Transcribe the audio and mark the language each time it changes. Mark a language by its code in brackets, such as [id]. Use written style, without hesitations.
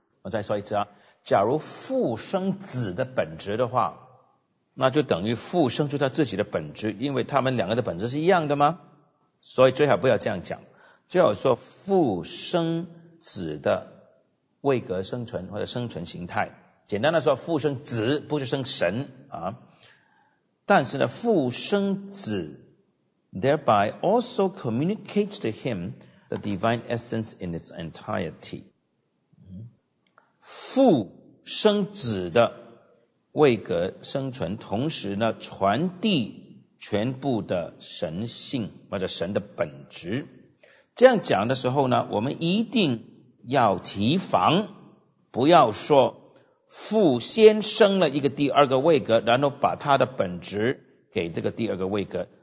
[zh] 我再说一次啊，假如父生子的本质的话，那就等于父生出他自己的本质，因为他们两个的本质是一样的吗？所以最好不要这样讲，最好说父生子的位格生存或者生存形态。简单的说，父生子不是生神啊。但是呢，父生子 [en] thereby also communicates to him the divine essence in its entirety。 [zh] 父生子的位格生存，同时呢传递全部的神性或者神的本质。这样讲的时候呢，我们一定要提防，不要说父先生了一个第二个位格，然后把他的本质给这个第二个位格。